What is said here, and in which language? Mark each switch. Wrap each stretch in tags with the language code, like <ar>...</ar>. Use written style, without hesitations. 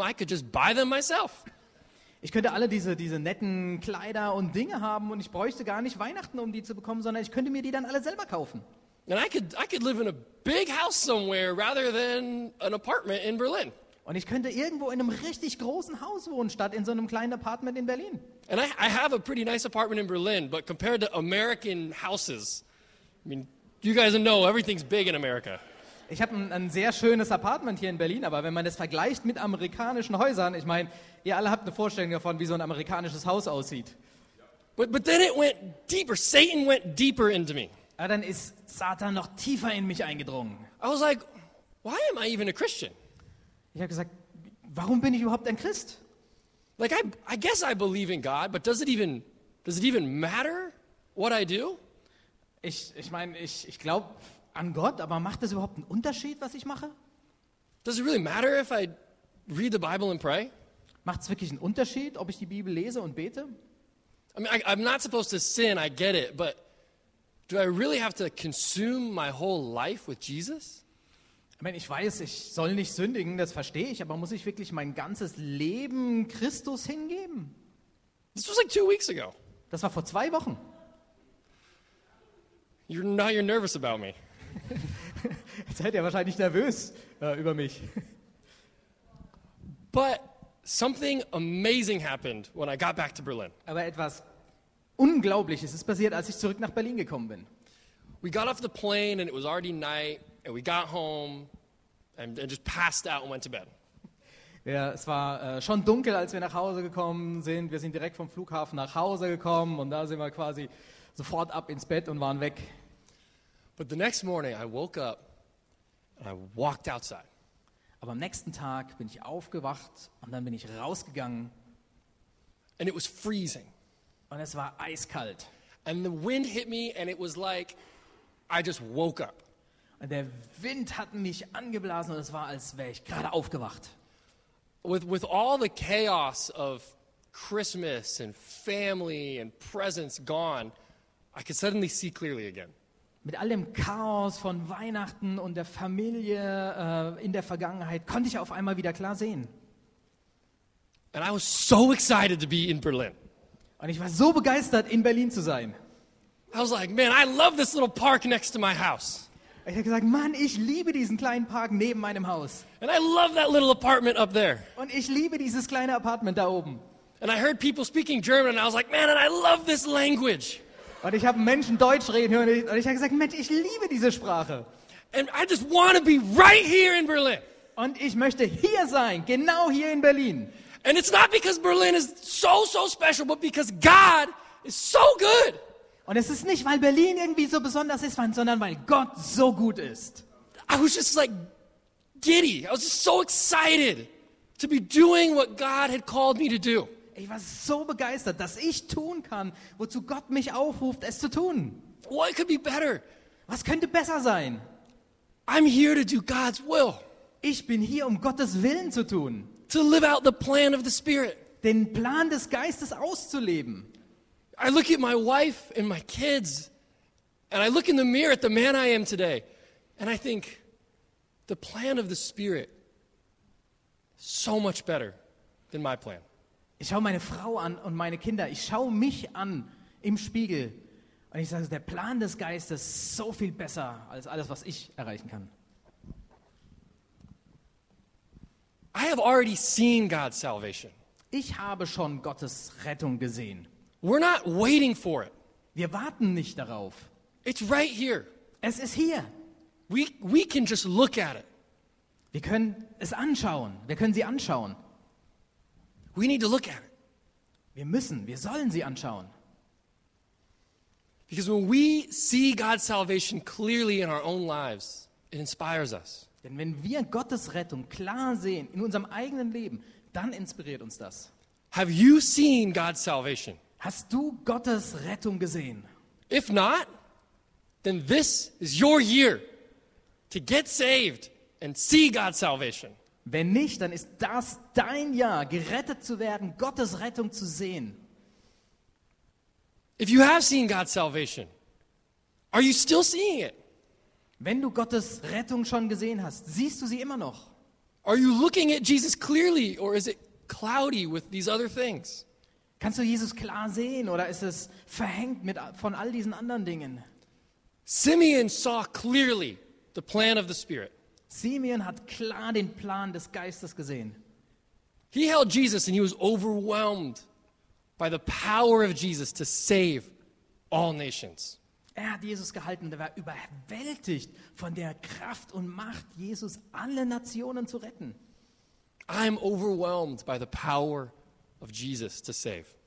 <en>I could just buy them myself.</en> <de>Ich könnte alle diese netten Kleider und Dinge haben und ich bräuchte gar nicht Weihnachten, um die zu bekommen, sondern ich könnte mir die dann alle selber kaufen.</de> <en>And I could live in a big house somewhere rather than an apartment in Berlin.</en> <de>Und ich könnte irgendwo in einem richtig großen Haus wohnen, statt in so einem kleinen Apartment in Berlin.</de> <en>And I have a pretty nice apartment in Berlin, but compared to American houses, I mean, you guys know everything's big in America.</en> <de>Ich habe ein sehr schönes Apartment hier in Berlin, aber wenn man das vergleicht mit amerikanischen Häusern, ich meine, ihr alle habt eine Vorstellung davon, wie so ein amerikanisches Haus aussieht.</de> <en>But then it went deeper. Satan went deeper into me.</en> <de>Aber dann ist Satan noch tiefer in mich eingedrungen.</de> <en>I was like, why am I even a Christian?</en> <de>Ich habe gesagt, warum bin ich überhaupt ein Christ?</de> <en>Like I guess I believe in God, but does it even matter what I do?</en> <de>Ich glaube an Gott, aber macht das überhaupt einen Unterschied, was ich mache?</de> <en>Does it really matter if I read the Bible and pray?</en> <de>Macht es wirklich einen Unterschied, ob ich die Bibel lese und bete?</de> <en>I mean, I'm not supposed to sin, I get it, but do I really have to consume my whole life with Jesus?</en> <de>Ich meine, ich weiß, ich soll nicht sündigen, das verstehe ich, aber muss ich wirklich mein ganzes Leben Christus hingeben?</de> <en>This was like 2 weeks ago.</en> <de>Das war vor 2 Wochen.</de> <en>You're nervous about me.</en> <de>Jetzt seid ihr wahrscheinlich nervös über mich.</de> <en>But something amazing happened when I got back to Berlin.</en> <de>Aber etwas Unglaubliches ist passiert, als ich zurück nach Berlin gekommen bin.</de> <en>We got off the plane and it was already night. And we got home and just passed out and went to bed.</en> <de>Ja, es war schon dunkel, als wir nach Hause gekommen sind. Wir sind direkt vom Flughafen nach Hause gekommen und da sind wir quasi sofort ab ins Bett und waren weg.</de> <en>But the next morning I woke up and I walked outside.</en> <de>Aber am nächsten Tag bin ich aufgewacht und dann bin ich rausgegangen.</de> <en>And it was freezing.</en> <de>Und es war eiskalt.</de> <en>And the wind hit me and it was like I just woke up.</en> <de>Der Wind hat mich angeblasen und es war, als wäre ich gerade aufgewacht.</de> <en>With all the chaos of Christmas and family and presents gone, I could suddenly see clearly again.</en> <de>Mit all dem Chaos von Weihnachten und der Familie in der Vergangenheit konnte ich auf einmal wieder klar sehen.</de> <en>And I was so excited to be in Berlin.</en> <de>Und ich war so begeistert, in Berlin zu sein.</de> <en>I was like, man, I love this little park next to my house.</en> <de>Ich habe gesagt, Mann, ich liebe diesen kleinen Park neben meinem Haus.</de> <en>And I love that little apartment up there.</en> <de>Und ich liebe dieses kleine Apartment da oben.</de> <en>And I heard people speaking German and I was like, man, and I love this language.</en> <de>Und ich habe Menschen Deutsch reden hören und ich habe gesagt, Mensch, ich liebe diese Sprache.</de> <en>And I just want to be right here in Berlin.</en> <de>Und ich möchte hier sein, genau hier in Berlin.</de> <en>And it's not because Berlin is so so special, but because God is so good.</en> <de>Und es ist nicht, weil Berlin irgendwie so besonders ist, sondern weil Gott so gut ist.</de> <en>I was just like giddy. I was just so excited to be doing what God had called me to do.</en> <de>Ich war so begeistert, dass ich tun kann, wozu Gott mich aufruft, es zu tun.</de> <en>What could be better?</en> <de>Was könnte besser sein?</de> <en>I'm here to do God's will.</en> <de>Ich bin hier, um Gottes Willen zu tun.</de> <en>To live out the plan of the Spirit.</en> <de>Den Plan des Geistes auszuleben.</de> <en>I look at my wife and my kids and I look in the mirror at the man I am today and I think the plan of the Spirit so much better than my plan.</en> <de>Ich schaue meine Frau an und meine Kinder, ich schaue mich an im Spiegel und ich sage, der Plan des Geistes ist so viel besser als alles, was ich erreichen kann.</de> <en>I have already seen God's salvation.</en> <de>Ich habe schon Gottes Rettung gesehen.</de> <en>We're not waiting for it.</en> <de>Wir warten nicht darauf.</de> <en>It's right here.</en> <de>Es ist hier.</de> <en>We can just look at it.</en> <de>Wir können es anschauen. Wir können sie anschauen.</de> <en>We need to look at it.</en> <de>Wir sollen sie anschauen.</de> <en>Because when we see God's salvation clearly in our own lives, it inspires us.</en> <de>Denn wenn wir Gottes Rettung klar sehen in unserem eigenen Leben, dann inspiriert uns das.</de> <en>Have you seen God's salvation?</en> <de>Hast du Gottes Rettung gesehen?</de> <en>If not, then this is your year to get saved and see God's salvation.</en> <de>Wenn nicht, dann ist das dein Jahr, gerettet zu werden, Gottes Rettung zu sehen.</de> <en>If you have seen God's salvation, are you still seeing it?</en> <de>Wenn du Gottes Rettung schon gesehen hast, siehst du sie immer noch?</de> <en>Are you looking at Jesus clearly or is it cloudy with these other things?</en> <de>Kannst du Jesus klar sehen oder ist es verhängt mit von all diesen anderen Dingen?</de> <en>Simeon saw clearly the plan of the Spirit.</en> <de>Simeon hat klar den Plan des Geistes gesehen.</de> <en>He held Jesus and he was overwhelmed by the power of Jesus to save all nations.</en> <de>Er hat Jesus gehalten und er war überwältigt von der Kraft und Macht, Jesus alle Nationen zu retten.</de> <en>I'm overwhelmed by the power of Jesus to save.</en>